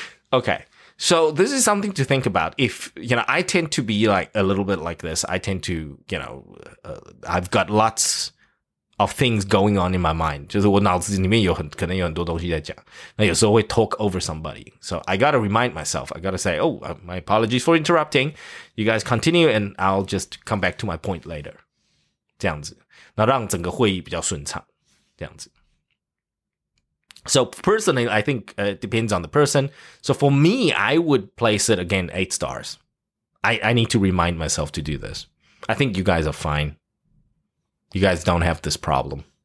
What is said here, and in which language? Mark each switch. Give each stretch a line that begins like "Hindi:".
English: OK, so this is something to think about. If you know, I tend to be like a little bit like this. I tend to, you know, I've got lots of things going on in my mind.
Chinese: 就是我脑子里面可能有很多东西在讲，那有时候会
English: talk over somebody. So I gotta remind myself. I gotta say, oh, my apologies for interrupting. You guys continue, and I'll just come back to my point later.
Chinese: 这样子，那让整个会议比较顺畅。这样子。
English: So personally, I think it depends on the person. So for me, I would place it again 8 stars. I need to remind myself to do this. I think you guys are fine. You guys don't have this problem.